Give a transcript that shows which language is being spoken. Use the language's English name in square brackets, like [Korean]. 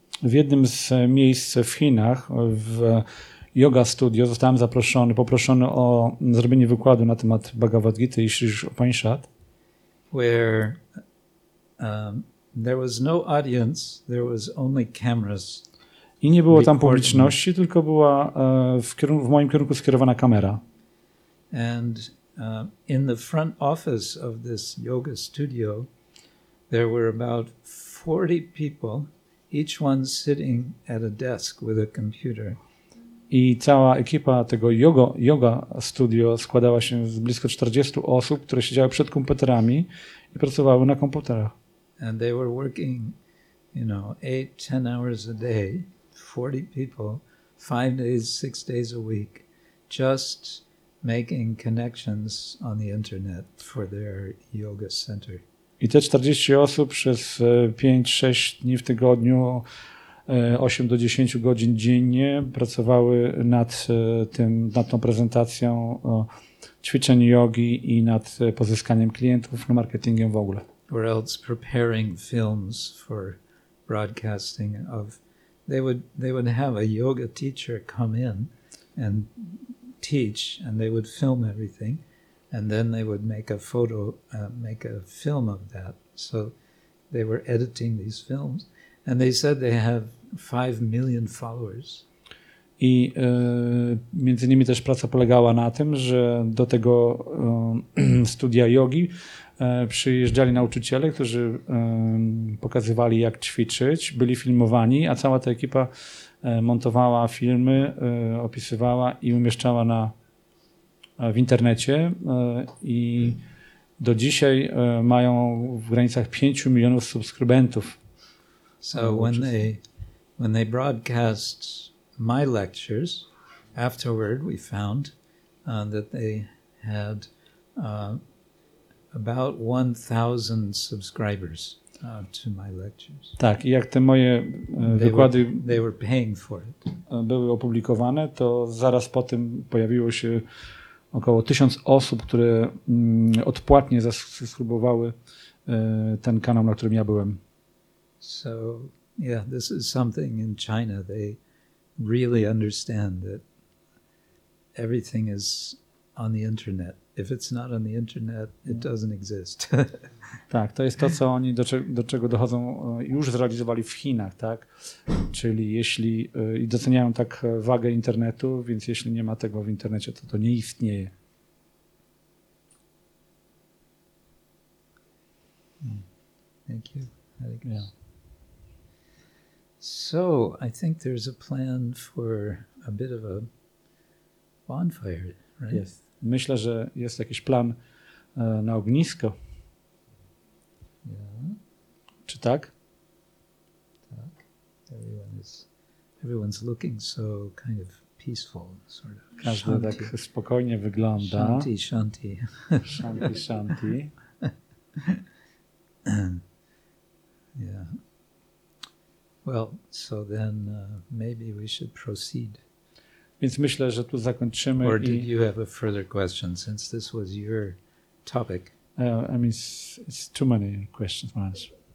[Polish] W jednym z miejsc w Chinach, w yoga studio, zostałem poproszony o zrobienie wykładu na temat Bhagavad Gita i Ishapanishad. [English] Where there was no audience, there was only cameras. [Polish] I nie było tam publiczności, tylko była w moim kierunku skierowana kamera. [English] And In the front office of this yoga studio, there were about 40 people, each one sitting at a desk with a computer. [Polish] I cała ekipa tego yoga studio składała się z blisko 40 osób, które siedziały przed komputerami i pracowały na komputerach. [English] And they were working, you know, 8-10 hours a day, 40 people, 5 days, 6 days a week, just making connections on the internet for their yoga center. [Polish] I te 40 osób przez 5-6 dni w tygodniu, 8 do 10 godzin dziennie pracowały nad tym, nad tą prezentacją ćwiczeń jogi i nad pozyskaniem klientów, marketingiem w ogóle. [English] Or else preparing films for broadcasting of, they would have a yoga teacher come in and teach, and they would film everything, and then they would make a photo, make a film of that. So they were editing these films, and they said they have 5 million followers. [Polish] I między innymi też praca polegała na tym, że do tego studia jogi przyjeżdżali nauczyciele, którzy pokazywali, jak ćwiczyć, byli filmowani, a cała ta ekipa montowała filmy, opisywała i umieszczała w internecie. I do dzisiaj mają w granicach 5 milionów subskrybentów. [English] So when they broadcast my lectures, afterward we found that they had about 1,000 subscribers to my lectures. [Polish] Tak, i jak te moje wykłady [English] they were paying for it. [Polish] Były opublikowane, to zaraz po tym pojawiło się około 1,000 osób, które odpłatnie zasubskrybowały ten kanał, na którym ja byłem. [English] So, yeah, this is something in China. They really understand that everything is on the internet. If it's not on the internet, it doesn't exist. [Polish] Tak, to jest to, co oni do czego dochodzą, już zrealizowali w Chinach, tak? Czyli jeśli i doceniają tak wagę internetu, więc jeśli nie ma tego w internecie, to nie istnieje. [English] Thank you. So, I think there's a plan for a bit of a bonfire, right? Yes. [Polish] Myślę, że jest jakiś plan na ognisko. [English] Yeah. [Polish] Czy tak? [English] Tak. Everyone's looking so kind of peaceful, sort of. [Polish] Każdy shanti. Tak spokojnie wygląda. [Sanskrit] Shanti, shanti. Shanti, shanti. [English] Yeah. Well, so then maybe we should proceed. [Polish] Więc myślę, że tu zakończymy. [English] Or did you have a further question, since this was your topic? I mean, it's too many questions to answer.